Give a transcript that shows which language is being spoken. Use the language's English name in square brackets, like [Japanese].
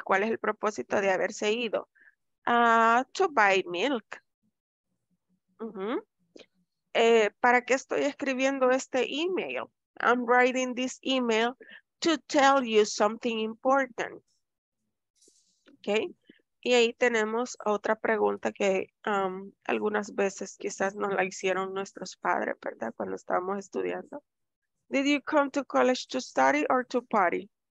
[Spanish] ¿Cuál es el propósito de haberse ido? [English] To buy milk. [Spanish] ¿Para qué estoy escribiendo este email? [English] I'm writing this email to tell you something important. Okay. [Spanish] Y ahí tenemos otra pregunta que algunas veces quizás nos la hicieron nuestros padres, ¿verdad? Cuando estábamos estudiando. [English] Did you come to college to study or to party?